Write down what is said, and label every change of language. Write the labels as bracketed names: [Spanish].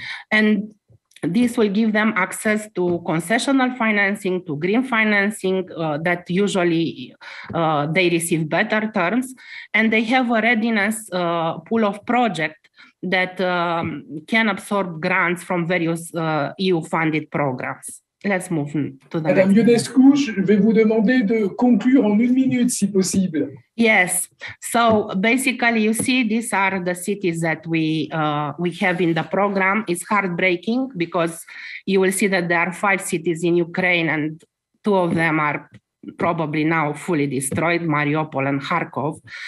[English] And this will give them access to concessional financing, to green financing that usually they receive better terms. And they have a readiness pool of projects that can absorb grants from various EU-funded programs. Let's move to the [French] Madame Ionescu, je vais vous demander de conclure en une minute, si possible. [English] Yes. So basically, you see, these are the cities that we have in the program. It's heartbreaking because you will see that there are 5 cities in Ukraine and 2 of them are probably now fully destroyed, Mariupol and Kharkov.